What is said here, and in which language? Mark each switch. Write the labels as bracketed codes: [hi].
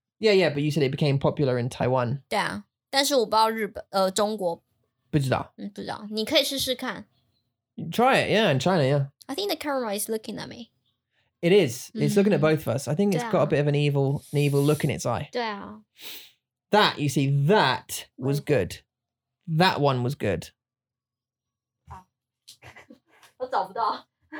[en] Yeah, yeah, but you said it became popular in Taiwan. [zh] 对啊,但是我不知道日本,中国。不知道。不知道,你可以试试看。 [en] Try it, yeah, in China, yeah. I think the camera is looking at me. It is, it's looking at both of us. I think it's got a bit of an evil look in its eye. [zh] 对啊。 [en] That, you see, that was good. That one was good. [zh] 我找不到。